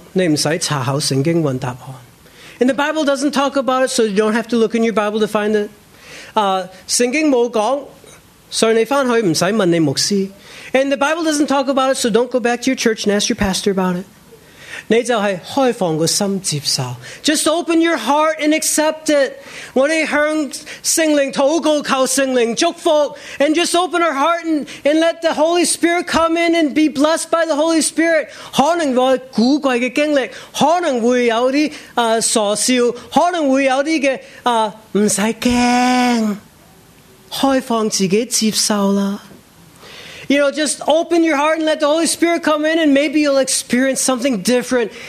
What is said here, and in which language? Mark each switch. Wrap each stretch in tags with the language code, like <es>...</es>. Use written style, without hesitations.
<zh>圣经没说，你不用查考圣经找答案。</zh> <en>And the Bible doesn't talk about it, so you don't have to look in your Bible to find it.</en> <zh>圣经没说，所以你回去不用问你牧师。</zh> <en>And the Bible doesn't talk about it, so don't go back to your church and ask your pastor about it.</en> <zh>你就是开放个心接受,</zh> <en>just open your heart and accept it.</en> <zh>我们向圣灵祷告，求圣灵祝福,</zh> <en>and just open our heart and let the Holy Spirit come in and be blessed by the Holy Spirit.</en> <zh>可能会有古怪的经历，可能会有些傻笑，可能会有些不用怕，开放自己接受啦。</zh> <en>You know, just open your heart and let the Holy Spirit come in, and maybe you'll experience something different.</en>